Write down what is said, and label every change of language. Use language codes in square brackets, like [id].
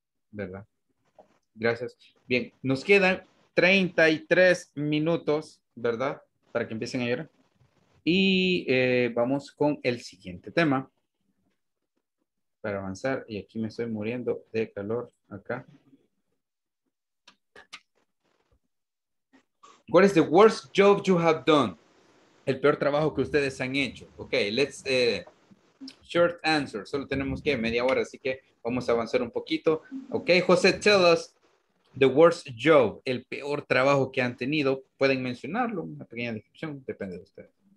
[es] ¿Verdad? Gracias. Bien, nos quedan 33 minutos, ¿verdad? Para que empiecen a llorar. Y vamos con el siguiente tema. Para avanzar, y aquí me estoy muriendo de calor acá. [en] What is the worst job you have done? [es] El peor trabajo que ustedes han hecho. [en] Ok, let's short answer. [es] Solo tenemos que media hora, así que vamos a avanzar un poquito. Ok, José, [en] tell us the worst job, [es] el peor trabajo que han tenido. Pueden mencionarlo, una pequeña descripción, depende de ustedes.